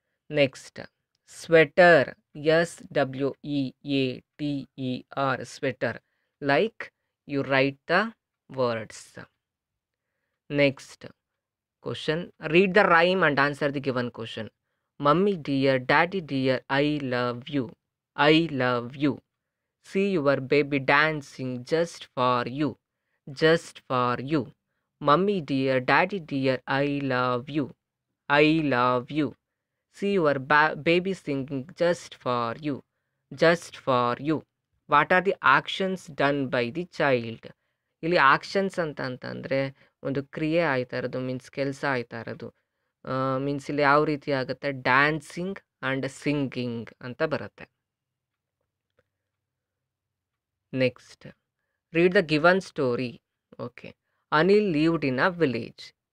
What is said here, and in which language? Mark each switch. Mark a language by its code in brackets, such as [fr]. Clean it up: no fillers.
[en] Next sweater, S W E A T E R sweater, like you write the words. Next question, read the rhyme and answer the given question. Mummy dear, daddy dear, I love you, I love you. See your baby dancing just for you, just for you. Mummy dear, daddy dear, I love you, I love you. See your baby singing just for you, just for you. What are the actions done by the child? [kn] ಇಲ್ಲಿ actions ಅಂತಂತಂದರೆ ಒಂದು ಕ್ರಿಯೆ ಆಯ್ತಾ ಇರೋದು, means ಕೆಲಸ ಆಯ್ತಾ ಇರೋದು. Means ಇಲ್ಲಿ ಯಾವ ರೀತಿ ಆಗುತ್ತೆ, ಡ್ಯಾನ್ಸಿಂಗ್ ಆ್ಯಂಡ್ ಸಿಂಗಿಂಗ್ ಅಂತ ಬರುತ್ತೆ. [en] Next read the given story. Okay, Anil lived in a village.